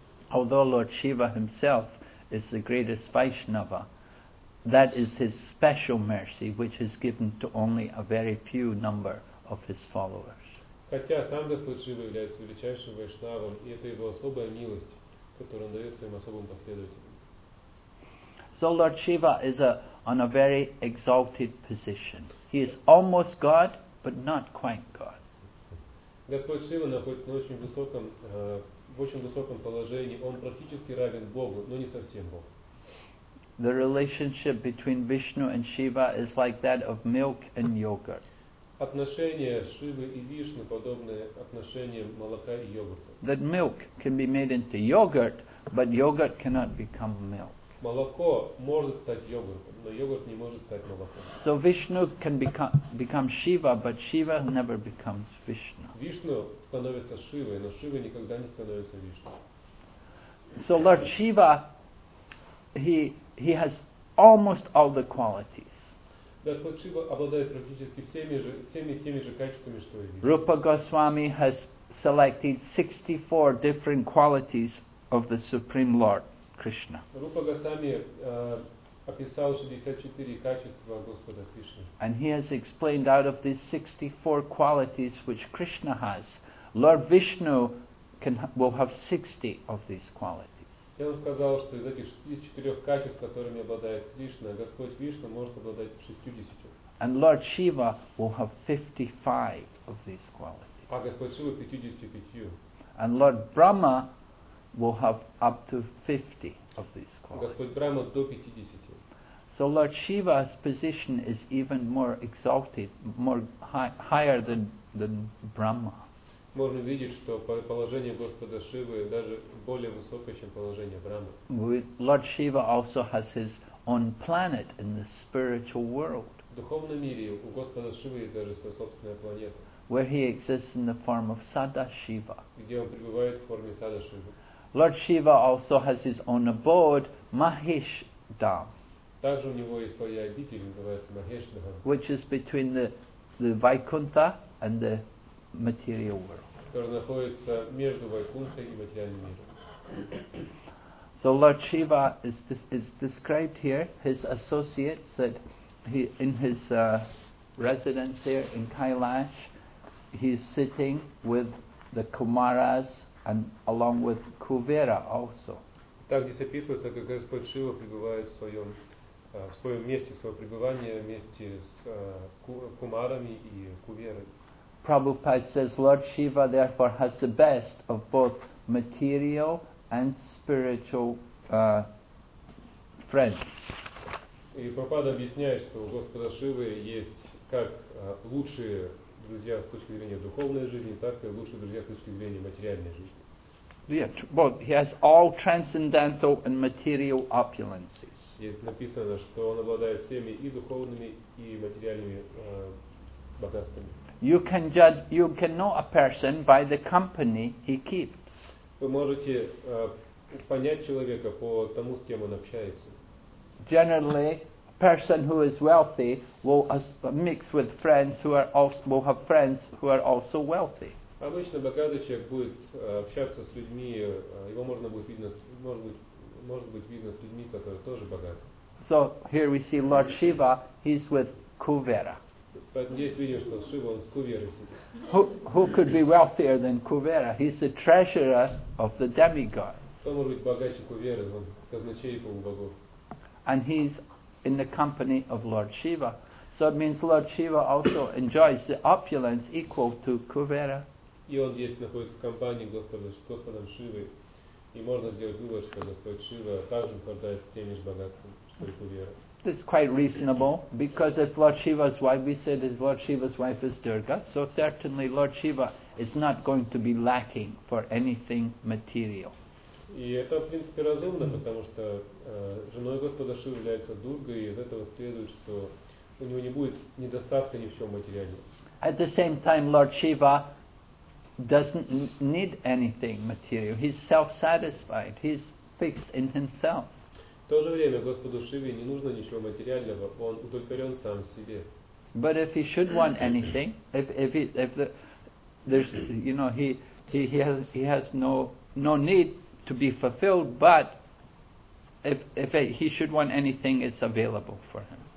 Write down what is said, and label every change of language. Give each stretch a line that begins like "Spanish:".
English: Although Lord Shiva himself is the greatest Vaishnava, That is his special mercy, which is given to only a very few number of his followers.
Russian: Хотя сам Господь Шива является величайшим вайшнавом, и это его особая милость, которую он дает своим особым последователям.
English: So Lord Shiva is on a very exalted position. He is almost God, but not quite God.
Russian: Господь Шива находится на очень высоком, в очень высоком положении. Он практически равен Богу, но не совсем Бог.
English: The relationship between Vishnu and Shiva is like that of milk and yogurt.
Russian: Отношения Шивы и Вишны подобны отношениям молока и йогурта.
English: That milk can be made into yogurt, but yogurt cannot become milk.
Russian: Молоко может стать йогуртом, но йогурт не может стать молоком.
English: So Vishnu can become Shiva, but Shiva never becomes Vishnu.
Russian: Вишну становится Шивой, но Шива никогда не становится Вишну.
English: So Lord Shiva, he has almost all the qualities.
Russian: Господь Шива обладает практически всеми теми же качествами, что и Вишну.
English: Rupa Goswami has selected 64 different qualities of the Supreme Lord.
Russian: Rupa Goswami описал 64 качества Господа Кришны.
English: And he has explained out of these 64 qualities which Krishna has, Lord Vishnu will have 60 of these qualities.
Russian: Я вам сказал, что из этих 64 качеств, которыми обладает Кришна, Господь Вишну может обладать 60.
English: And Lord Shiva will have 55 of these qualities.
Russian: А Господь Шива 55.
English: And Lord Brahma will have up to 50 of these qualities.
Russian: Господь Брама до 50.
English: So Lord Shiva's position is even more exalted, more higher than Brahma.
Russian: Можно видеть, что положение Господа Шивы даже более высокое, чем положение Брама.
English: Lord Shiva also has his own planet in the spiritual world.
Russian: В духовном мире у Господа Шивы есть даже своя собственная планета.
English: Where he exists in the form of Sadashiva.
Russian: Где он пребывает в форме Сада-Шивы.
English: Lord Shiva also has his own abode, Mahishdham.
Russian: Также у него есть своя обитель, называется Mahishdham.
English: Which is between the Vaikuntha and the material world.
Russian: Которая находится между Вайкунтхой и материальным миром.
English: So Lord Shiva is described here, his associates that he in his residence here in Kailash, he's sitting with the Kumaras and along with Kuvera also.
Russian: Так здесь описывается, как Господь Шива пребывает в своем месте, свое пребывание вместе с Кумарами и Куверой.
English: Prabhupada says Lord Shiva therefore has the best of both material and spiritual friends.
Russian: И Прабхупада объясняет, что у Господа Шивы есть как лучшие друзья с точки зрения духовной жизни, так и лучшие друзья с точки зрения материальной жизни.
English: Yeah, well, he has all transcendental and material opulences.
Russian: Есть написано, что он обладает всеми и духовными, и материальными богатствами.
English: You can know a person by the company he keeps.
Russian: Вы можете понять человека по тому, с кем он общается.
English: Generally, a person who is wealthy will mix with friends who are also will have friends who are also wealthy.
Russian: Обычно богатый человек будет общаться с людьми, его можно будет видно, может быть видно с людьми, которые тоже богаты.
English: So here we see Lord Shiva, he's with Kuvera.
Russian: Поэтому здесь видим, что Шива он с Куверой сидит.
English: Who could be wealthier than Kuvera? He's the treasurer of the demigods.
Russian: Кто может быть богаче Куверы? Он казначей полубогов.
English: And he's in the company of Lord Shiva. So it means Lord Shiva also enjoys the opulence equal to Kuvera.
Russian: И он здесь находится в компании Господом Шивы. И можно сделать вывод, что Господь Шива также наслаждается теми же богатствами, что и Кувера.
English: It's quite reasonable, because if Lord Shiva's wife, we said that Lord Shiva's wife is Durga, so certainly Lord Shiva is not going to be lacking for anything material.
Russian: И это, в принципе, разумно, потому что женой Господа Шивы является Дурга, и из этого следует, что у него не будет недостатка ни в чем материальном.
English: At the same time, Lord Shiva doesn't need anything material. He's self-satisfied. He's fixed in himself.
Russian: В то же время Господу Шиве не нужно ничего материального. Он удовлетворен сам себе.
English: But if he should want anything, if he has no need to be fulfilled, but if he should want anything, it's available for him.